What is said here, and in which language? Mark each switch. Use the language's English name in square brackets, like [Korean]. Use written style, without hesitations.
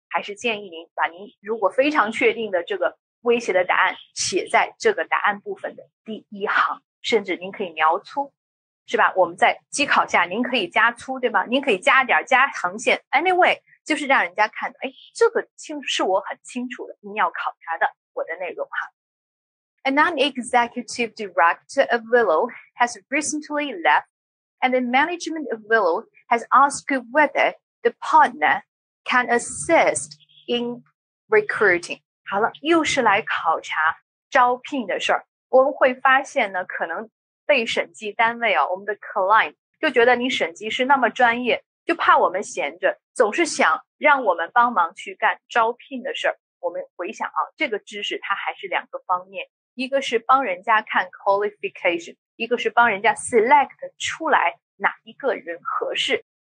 [Chinese] 还是建议您把您如果非常确定的这个威胁的答案写在这个答案部分的第一行，甚至您可以描粗，是吧？我们在机考下您可以加粗，对吧？您可以加点加横线， anyway， 就是让人家看的，哎，这个是我很清楚的，您要考察的我的内容哈。 [English] A non-executive director of Willow has recently left, and the management of Willow has asked whether the partner can assist in recruiting。 [Chinese] 好了，又是来考察招聘的事儿。我们会发现呢，可能被审计单位啊，我们的 client 就觉得你审计师那么专业，就怕我们闲着，总是想让我们帮忙去干招聘的事儿。我们回想啊，这个知识它还是两个方面，一个是帮人家看 qualification， 一个是帮人家 select 出来哪一个人合适。